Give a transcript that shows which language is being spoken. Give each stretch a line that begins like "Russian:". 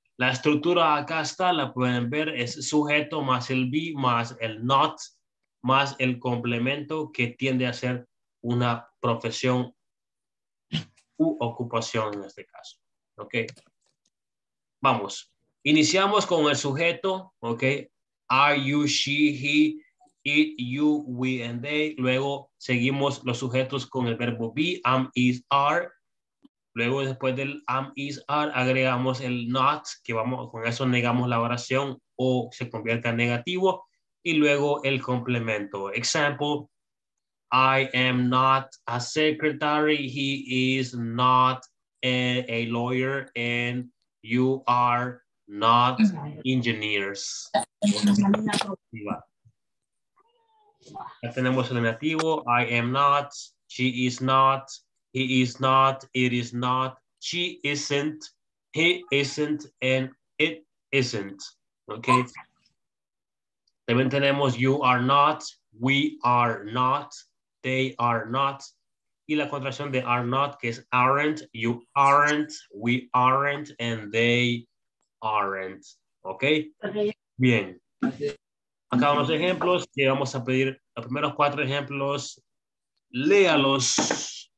Spanish: La estructura acá está, la pueden ver, es sujeto más el be más el not más el complemento que tiende a ser una profesión u ocupación en este caso. Ok. Vamos. Iniciamos con el sujeto. Ok.
English: Are you, she, he, it, you, we, and they.
Spanish: Luego seguimos los sujetos con el verbo be, am, is, are. Luego, después del am, is, are, agregamos el not, que vamos, con eso negamos la oración o se convierte en negativo. Y luego el complemento.
English: Example, I am not a secretary, he is not a lawyer, and you are not engineers.
Spanish: Ya tenemos el negativo,
English: I am not, she is not, he is not, it is not, she isn't, he isn't, and it isn't. Okay.
Spanish: También tenemos
English: you are not, we are not, they are not.
Spanish: Y la contracción de
English: are not, que es aren't, you aren't, we aren't, and they aren't. Okay. Bien.
Spanish: Acá unos ejemplos que vamos a pedir. Los primeros cuatro ejemplos, léalos.